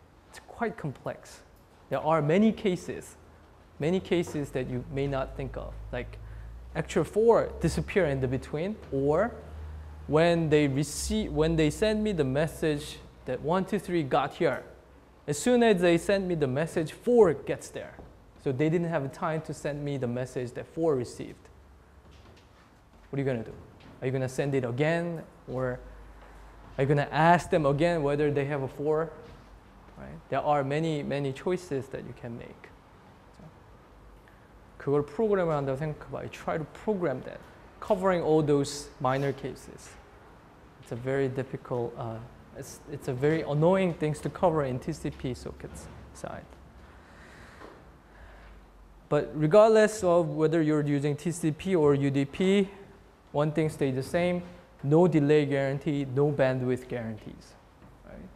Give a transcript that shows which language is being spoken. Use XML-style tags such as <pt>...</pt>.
<en>It's quite complex. There are many cases that you may not think of, like actual four disappear in the between, or when they receive, when they send me the message that 1, 2, 3 got here, as soon as they send me the message, four gets there. So they didn't have time to send me the message that four received. What are you going to do? Are you going to send it again? Or are you going to ask them again whether they have a four? Right? There are many, many choices that you can make.</en> <ko>So, 그걸 프로그램을 한다고 생각해봐.</ko> <en>You try to program that, covering all those minor cases. It's a very difficult, it's a very annoying thing to cover in TCP sockets side. But regardless of whether you're using TCP or UDP, one thing stays the same, no delay guarantee, no bandwidth guarantees. Right?</en>